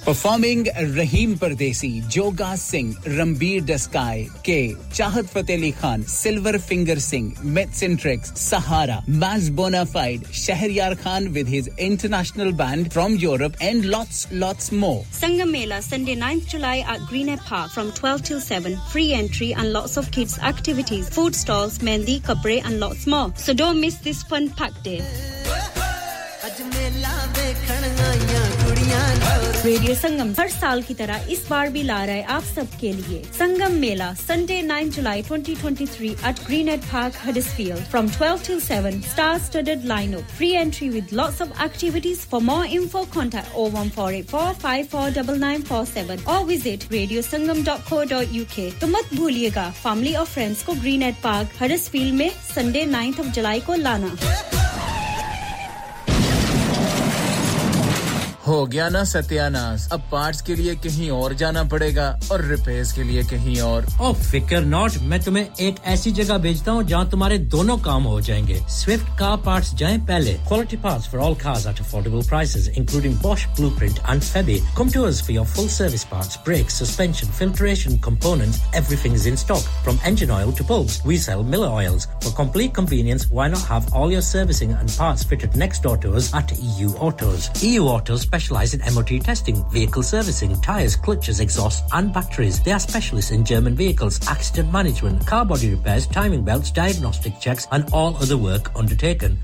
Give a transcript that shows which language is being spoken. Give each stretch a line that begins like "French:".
English: performing Rahim Pardesi Joga Singh Ranbir डस्काय के Chahat Fateh Ali Khan silver finger Singh मेथसेंट्रिक्स सहारा मैज bona fide Shahryar Khan with his international band from Europe and lots more Sangam mela Sunday 9th July at Greenhead Park from 12 till 7 free entry and lots of kids activities food stalls mehndi kapre and lots more so don't miss this fun packed day Radio Sangam
Hindi: har saal ki tarah is baar bhi la raha hai aap sab ke liye
English: Sangam Mela Sunday 9 July 2023 at Greenhead Park Huddersfield from 12 till 7 star studded lineup free entry with lots of activities for more info contact 01484549947 or visit radiosangam.co.uk
Hindi: to mat bhuliyega family or friends ko Greenhead Park Huddersfield mein Sunday 9th of July ko lana हो गया ना सत्यानाश अब parts के लिए कहीं और जाना पड़ेगा और रिपेयर्स के लिए कहीं और ओह फिकर नॉट मैं तुम्हें एक ऐसी जगह भेजता हूं जहां तुम्हारे दोनों काम हो जाएंगे
English: Swift car parts जाएं पहले quality parts for all cars at affordable prices including Bosch Blueprint and Febi come to us for your full service parts brakes suspension filtration components everything is in stock from engine oil to bulbs we sell Miller oils for complete convenience why not have all your servicing and parts fitted next door to us at EU Autos EU Autos specialize in MOT testing, vehicle servicing, tyres, clutches, exhausts and batteries. They are specialists in German vehicles, accident management, car body repairs, timing belts, diagnostic checks and all other work undertaken.